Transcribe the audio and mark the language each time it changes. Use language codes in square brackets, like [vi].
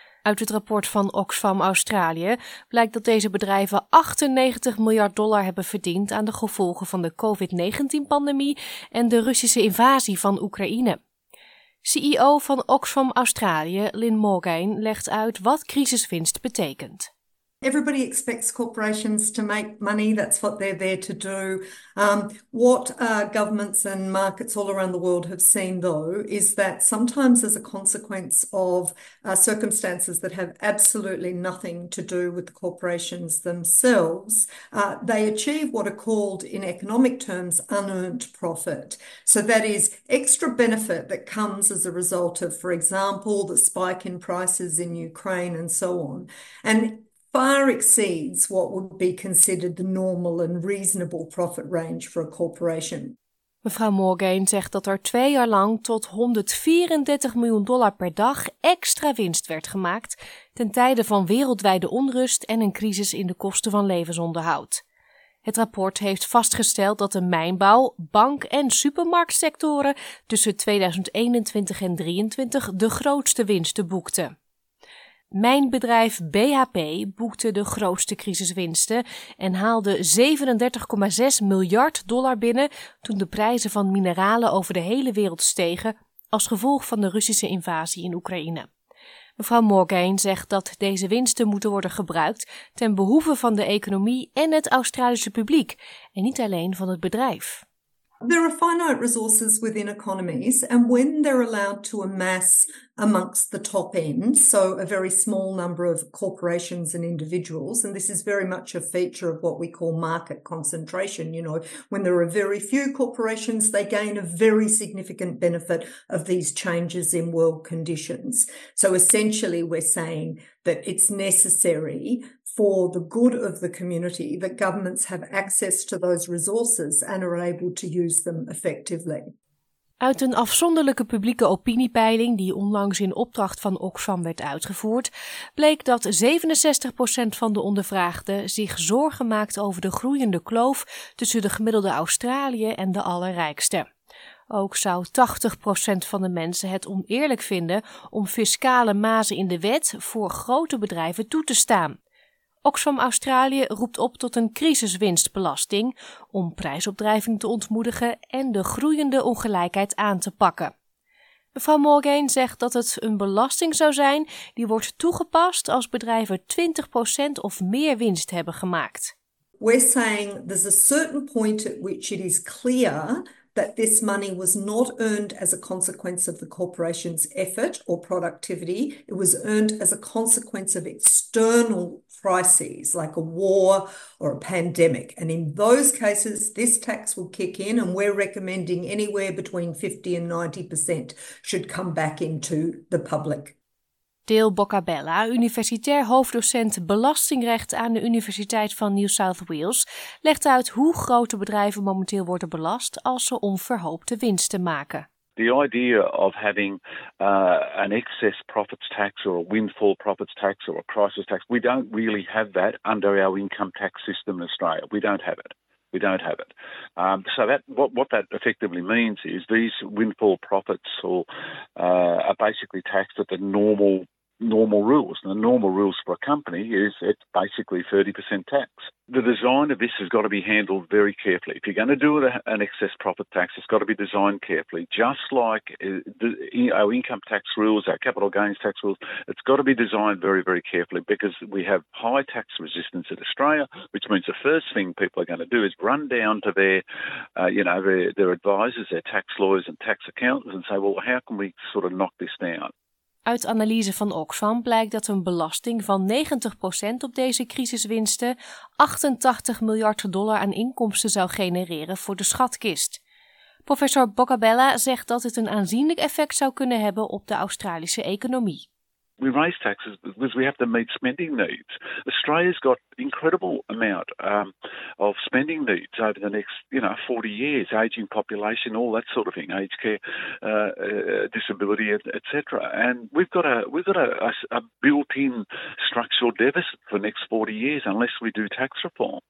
[nl] Uit het rapport van Oxfam Australië blijkt dat deze bedrijven 98 miljard dollar hebben verdiend aan de gevolgen van de COVID-19-pandemie en de Russische invasie van Oekraïne. CEO van Oxfam Australië, Lynn Morgane, legt uit wat crisiswinst betekent. [en] Everybody expects corporations to make money. That's what they're there to do. What governments and markets all around the world have seen, though, is that sometimes as a consequence of circumstances that have absolutely nothing to do with the corporations themselves, they achieve what are called, in economic terms, unearned profit. So that is extra benefit that comes as a result of, for example, the spike in prices in Ukraine and so on. And far exceeds what would be considered the normal and reasonable profit range for a corporation. [nl] Mevrouw Morgane zegt dat er 2 jaar lang tot 134 miljoen dollar per dag extra winst werd gemaakt ten tijde van wereldwijde onrust en een crisis in de kosten van levensonderhoud. Het rapport heeft vastgesteld dat de mijnbouw, bank- en supermarktsectoren tussen 2021 en 2023 de grootste winsten boekten. Mijn bedrijf BHP boekte de grootste crisiswinsten en haalde 37,6 miljard dollar binnen toen de prijzen van mineralen over de hele wereld stegen als gevolg van de Russische invasie in Oekraïne. Mevrouw Morgane zegt dat deze winsten moeten worden gebruikt ten behoeve van de economie en het Australische publiek en niet alleen van het bedrijf. [en] There are finite resources within economies, and when they're allowed to amass amongst the top end, so a very small number of corporations and individuals, and this is very much a feature of what we call market concentration, you know, when there are very few corporations, they gain a very significant benefit of these changes in world conditions. So essentially, we're saying that it's necessary for the good of the community, that governments have access to those resources and are able to use them effectively. [nl] Uit een afzonderlijke publieke opiniepeiling die onlangs in opdracht van Oxfam werd uitgevoerd, bleek dat 67% van de ondervraagden zich zorgen maakt over de groeiende kloof tussen de gemiddelde Australië en de allerrijkste. Ook zou 80% van de mensen het oneerlijk vinden om fiscale mazen in de wet voor grote bedrijven toe te staan. Oxfam Australië roept op tot een crisiswinstbelasting om prijsopdrijving te ontmoedigen en de groeiende ongelijkheid aan te pakken. Mevrouw Morgan zegt dat het een belasting zou zijn die wordt toegepast als bedrijven 20% of meer winst hebben gemaakt. [en] We're saying there's a certain point at which it is clear that this money was not earned as a consequence of the corporation's effort or productivity. It was earned as a consequence of external crises like a war or a pandemic. And in those cases, this tax will kick in, and we're recommending anywhere between 50 and 90% should come back into the public. [nl] Dale Boccabella, universitair hoofddocent belastingrecht aan de Universiteit van New South Wales, legt uit hoe grote bedrijven momenteel worden belast als ze onverhoopte winsten maken. [en] The idea of having an excess profits tax or a windfall profits tax or a crisis tax, we don't really have that under our income tax system in Australia. We don't have it. We don't have it. So what that effectively means is these windfall profits are basically taxed at the normal rules. And the normal rules for a company is it's basically 30% tax. The design of this has got to be handled very carefully. If you're going to do an excess profit tax, it's got to be designed carefully. Just like our income tax rules, our capital gains tax rules, it's got to be designed very, very carefully because we have high tax resistance in Australia, which means the first thing people are going to do is run down to their advisors, their tax lawyers and tax accountants and say, well, how can we sort of knock this down? [nl] Uit analyse van Oxfam blijkt dat een belasting van 90% op deze crisiswinsten 88 miljard dollar aan inkomsten zou genereren voor de schatkist. Professor Boccabella zegt dat het een aanzienlijk effect zou kunnen hebben op de Australische economie. [en] We raise taxes because we have to meet spending needs. Australia's got incredible amount of spending needs over the next, 40 years, aging population, all that sort of thing, aged care, disability, etc. And we've got a built-in structural deficit for the next 40 years unless we do tax reform.